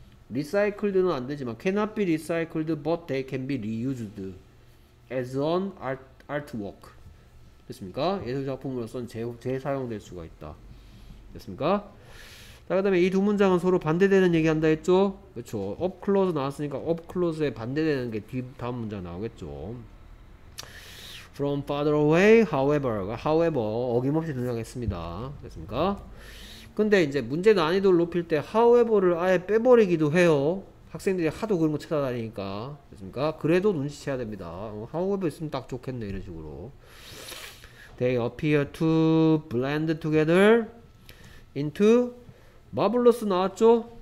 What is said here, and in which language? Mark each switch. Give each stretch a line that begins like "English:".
Korean: recycled는 안 되지만
English: cannot be recycled but they can be reused as an artwork.
Korean: 됐습니까? 예술 작품으로서는 재사용될 수가 있다. 됐습니까? 자, 그다음에 이두 문장은 서로 반대되는 얘기한다 했죠? 그렇죠. up close 나왔으니까 up close에 반대되는 게 다음 문장 나오겠죠.
English: from farther away, however
Korean: 어김없이 등장했습니다. 됐습니까? 근데 이제 문제 난이도를 높일 때 however를 아예 빼버리기도 해요. 학생들이 하도 그런 거 찾아다니니까. 됐습니까? 그래도 눈치채야 됩니다. however 있으면 딱 좋겠네 이런 식으로.
English: they appear to blend together into marvelous
Korean: 나왔죠?